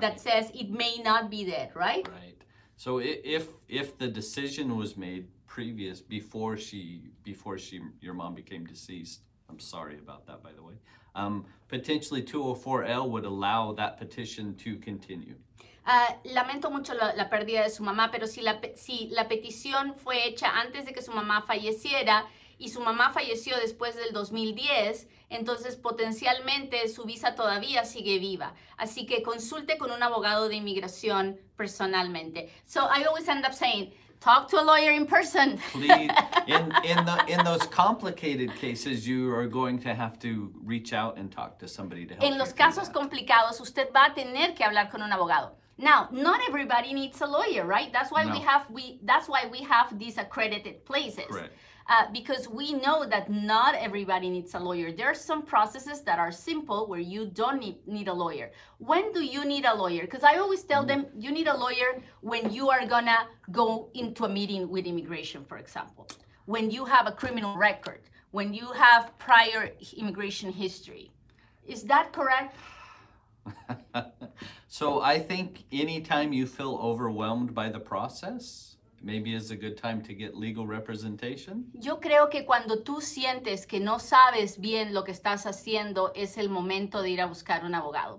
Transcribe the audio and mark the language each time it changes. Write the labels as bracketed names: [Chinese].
[English] That says it may not be dead, right? Right. So if the decision was made previous before your mom became deceased, I'm sorry about that, by the way. Potentially 204L would allow that petition to continue. [Spanish] Lamento mucho la pérdida de su mamá, pero si la petición fue hecha antes de que su mamá falleciera y su mamá falleció después del 2010, entonces potencialmente su visa todavía sigue viva. Así que consulte con un abogado de inmigración personalmente. [English] So I always end up saying, talk to a lawyer in person. Please, in those complicated cases, you are going to have to reach out and talk to somebody to help. [Spanish] En los casos complicados, usted va a tener que hablar con un abogado. [English] Now, not everybody needs a lawyer, right? That's why we have these accredited places. Correct. Because we know that not everybody needs a lawyer. There are some processes that are simple where you don't need a lawyer. When do you need a lawyer? Because I always tell them you need a lawyer when you are gonna go into a meeting with immigration, for example. When you have a criminal record, when you have prior immigration history. Is that correct? So I think anytime you feel overwhelmed by the process, maybe is a good time to get legal representation. [Spanish] Yo creo que cuando tú sientes que no sabes bien lo que estás haciendo, es el momento de ir a buscar un abogado.